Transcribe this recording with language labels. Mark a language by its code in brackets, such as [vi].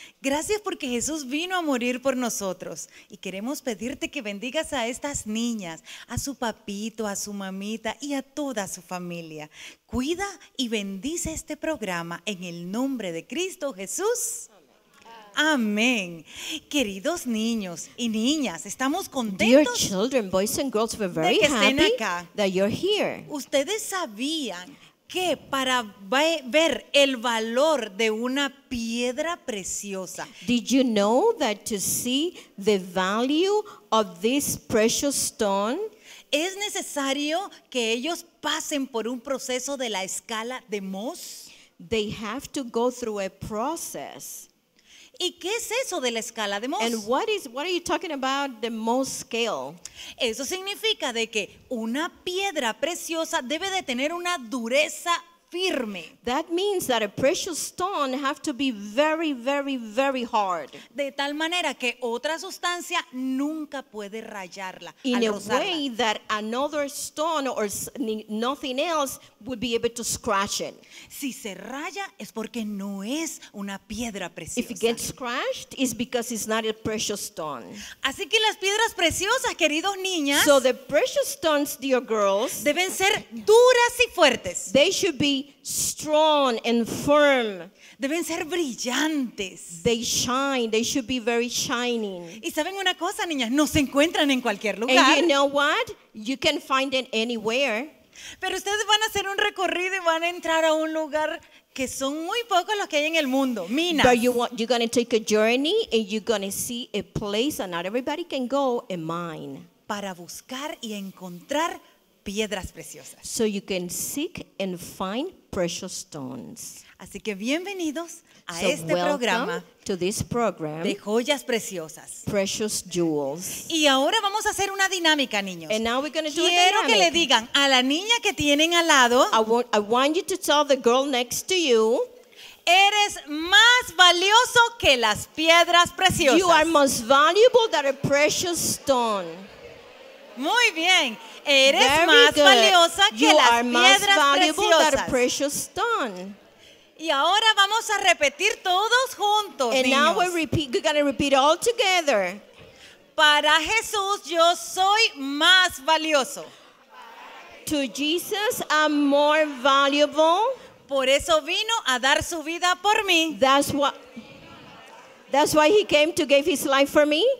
[es] Gracias porque Jesús vino a morir por nosotros. Y queremos pedirte que bendigas a estas niñas, a su papito, a su mamita y a toda su familia. Cuida y bendice este programa en el nombre de Cristo Jesús. Amén. Queridos niños y niñas, estamos contentos. [en] Dear children, boys and girls, we're very happy [es] acá. [en] That you're here. [es] ¿Ustedes sabían que para ver el valor de una piedra preciosa? [en] Did you know that to see the value of this precious stone? [es] ¿Es necesario que ellos pasen por un proceso de la escala de Mohs? [en] They have to go through a process. [es] ¿Y qué es eso de la escala de Mohs? [en] And what are you talking about the Mohs scale? [es] Eso significa de que una piedra preciosa debe de tener una dureza firme. [en] That means that a precious stone has to be very, very, very hard. [es] De tal manera que otra sustancia nunca puede rayarla. [en] In [es] al [en] a [es] rozarla. [en] Way that another stone or nothing else would be able to scratch it. [es] Si se raya es porque no es una piedra preciosa. [en] If it gets scratched, it's because it's not a precious stone. [es] Así que las piedras preciosas, queridos niñas, [en] so the precious stones, dear girls, [es] deben ser duras y fuertes. [en] They should be strong and firm. [es] Deben ser brillantes. [en] They shine. They should be very shining. [es] Y saben una cosa, niñas, no se encuentran en cualquier lugar. [en] And you know what? You can find it anywhere. [es] Pero ustedes van a hacer un recorrido y van a entrar a un lugar que son muy pocos los que hay en el mundo. Minas. [en] But you're going to take a journey and you're going to see a place that not everybody can go, a mine. [es] Para buscar y encontrar piedras preciosas. [en] So you can seek and find precious stones. [es] Así que bienvenidos a [en] so [es] este programa [en] to this program [es] de joyas preciosas. [en] Precious jewels. [es] Y ahora vamos a hacer una dinámica, niños. [en] And now we're going to do a dynamic. [es] Quiero que le digan a la niña que tienen al lado. [en] I want you to tell the girl next to you. [es] Eres más valioso que las piedras preciosas. [en] You are most valuable than a precious stone. [es] Muy bien. Eres [en] very [es] más [en] good. [es] Valiosa que [en] you [es] las piedras preciosas. [en] You are most valuable than a precious stone. [es] Y ahora vamos a repetir todos juntos, [en] and [es] niños. [en] Now we're going to repeat all together. [es] Para Jesús, yo soy más valioso. [en] To Jesus, I'm more valuable. [es] Por eso vino a dar su vida por mí. [en] That's why he came to give his life for me.